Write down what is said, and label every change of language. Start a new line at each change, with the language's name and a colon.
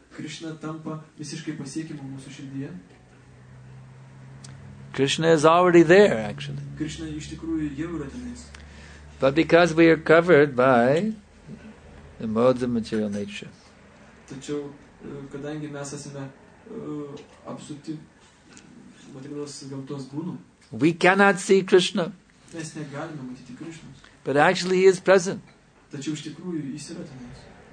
Lithuanian: Krishna tampa visiškai pasiekimu mūsų širdyje.
English: Krishna is already there, actually.
Lithuanian: Krishna iš tikrųjų jau yra tenais.
English: But because we are covered by the modes of material nature,
Lithuanian: Tačiau, kadangi mes esame apsupti materialios gamtos būnų,
English: we cannot see Krishna.
Lithuanian: Mes negalime matyti Krishnos.
English: But actually he is present.
Lithuanian: Tačiau iš tikrųjų jis yra tenais.